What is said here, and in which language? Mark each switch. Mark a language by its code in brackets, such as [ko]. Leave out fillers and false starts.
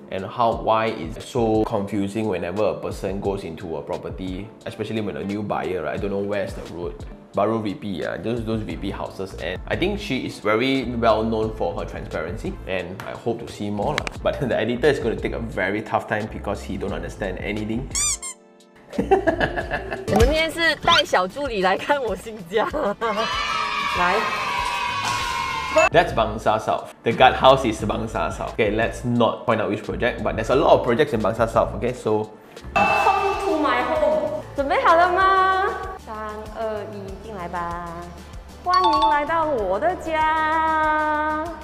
[en] And why is it so confusing whenever a person goes into a property, especially when a new buyer, right? I don't know where's the road. Baru VP, those VP houses. And I think she is very well known for her transparency, and I hope to see more. Lah. But the editor is going to take a very tough time because he don't understand anything. [zh] 我们今天是带小助理来看我新家，来。 [en] That's Bangsa South. The guard house is Bangsa South. Okay, let's not point out which project, but there's a lot of projects in Bangsa South. Okay, so. Welcome to my home. [zh] 准备好了吗？三二一，进来吧。欢迎来到我的家。